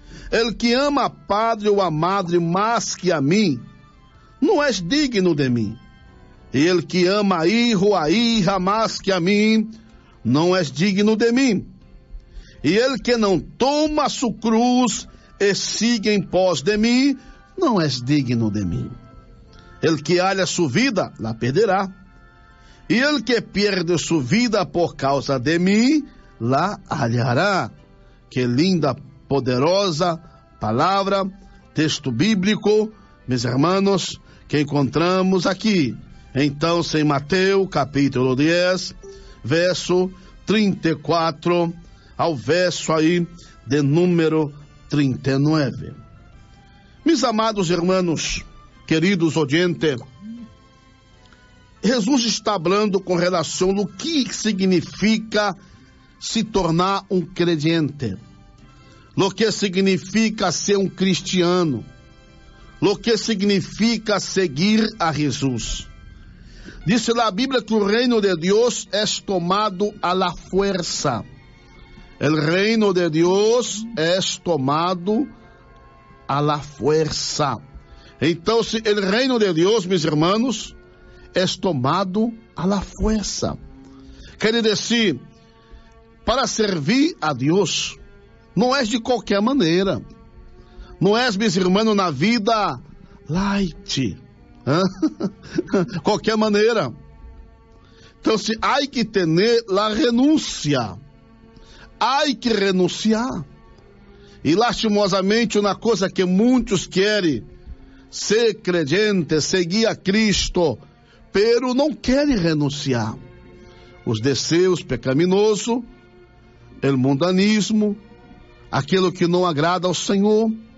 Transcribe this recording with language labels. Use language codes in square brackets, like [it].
[es] El que [pt] ama a padre ou a madre mais que a mim, não é digno de mim. E [es] el que [pt] ama a [es] hijo [pt] ou a [es] hija [pt] mais que a mim, não é digno de mim. E [es] el que [pt] não toma [es] su cruz [pt] e [es] sigue [pt] em pós de mim, não é digno de mim. [es] El que halla su vida, la perderá. [pt] E [es] el que pierde su vida por causa de [pt] mim, [es] la hallará. [pt] Que linda, poderosa palavra, texto bíblico, meus irmãos, que encontramos aqui. Então, em Mateus, capítulo 10, verso 34, ao verso aí de número 39. Meus amados irmãos, queridos ouvintes, Jesus está falando com relação no que significa se tornar um crente, no que significa ser um cristiano, no que significa seguir a Jesus. Disse na Bíblia que o reino de Deus é tomado [es] a la fuerza. [pt] O reino de Deus é tomado [es] a la fuerza. [pt] Então, o reino de Deus, meus irmãos, é tomado [es] a la fuerza. Quiere decir, para servir a Dios, no es de cualquier manera. No es, mis hermanos, una vida light. Cualquier manera. Entonces, hay que tener la renuncia. Hay que renunciar. [pt] E lastimosamente, uma coisa que muitos querem ser crente, seguir a Cristo, [es] pero [pt] não querem renunciar. Os desejos pecaminosos, [es] el mundanismo, [pt] aquilo que não agrada ao Senhor.